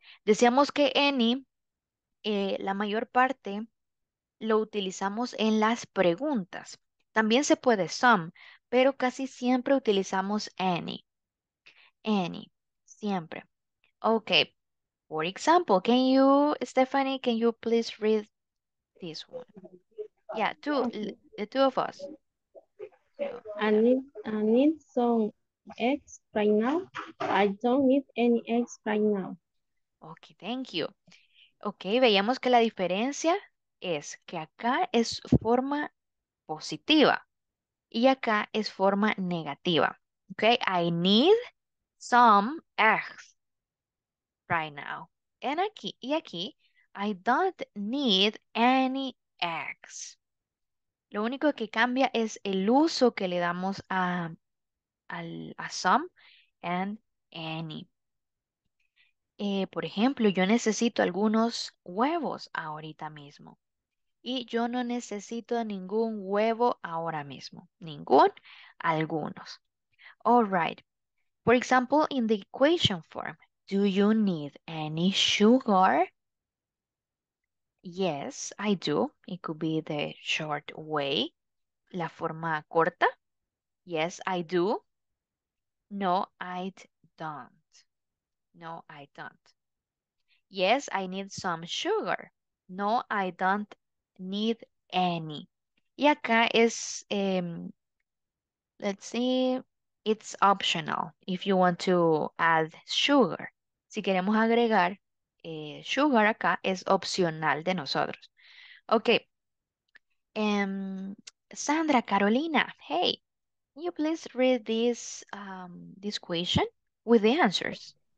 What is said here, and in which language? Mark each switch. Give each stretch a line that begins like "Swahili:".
Spanish: Decíamos que any, la mayor parte lo utilizamos en las preguntas. También se puede some, pero casi siempre utilizamos any. Any, siempre.
English: Ok, for example, can you, Stephanie, can you please read this one? Yeah, the two of us. So, yeah. I need some eggs right now. I don't need any eggs right now. Ok, thank you.
Spanish: Ok, veíamos que la diferencia es que acá es forma positiva y acá es forma negativa.
English: Ok, I need some eggs right now. And
Spanish: aquí, y aquí,
English: I don't need any eggs.
Spanish: Lo único que cambia es el uso que le damos a some and any. Por ejemplo, yo necesito algunos huevos ahorita mismo. Y yo no necesito ningún huevo ahora mismo. Ningún, algunos.
English: All right. For example, in the equation form, do you need any sugar? Yes, I do. It could be the short way.
Spanish: La forma corta.
English: Yes, I do. No, I don't. No, I don't. Yes, I need some sugar. No, I don't need any.
Spanish: Y acá es,
English: let's see, it's optional if you want to add sugar.
Spanish: Si queremos agregar sugar acá, es opcional de nosotros.
English: Ok. Sandra, Carolina, hey, can you please read this this question with the answers?